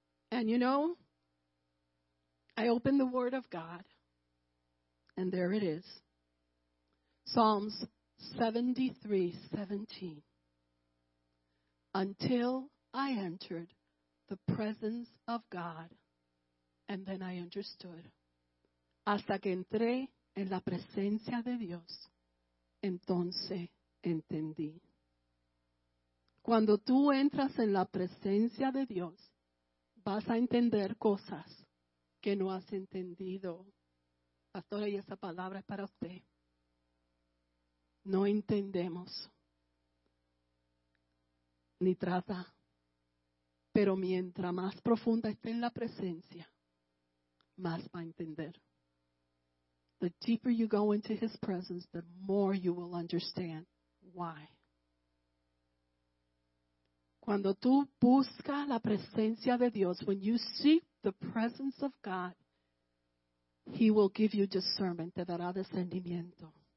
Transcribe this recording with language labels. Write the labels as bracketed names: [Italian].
[English] And you know, I open the word of God. And there it is. Psalms 73:17. Until I entered the presence of God, and then I understood. [Spanish] Hasta que entré en la presencia de Dios, entonces entendí. Cuando tú entras en la presencia de Dios, vas a entender cosas que no has entendido. Pastora, y esa palabra es para usted. No entendemos. Ni trata. Pero mientras más profunda esté en la presencia, más va a entender. [English] The deeper you go into his presence, the more you will understand why. [Spanish] Cuando tú buscas la presencia de Dios, [English] when you seek the presence of God, he will give you discernment, [Spanish] te dará discernimiento.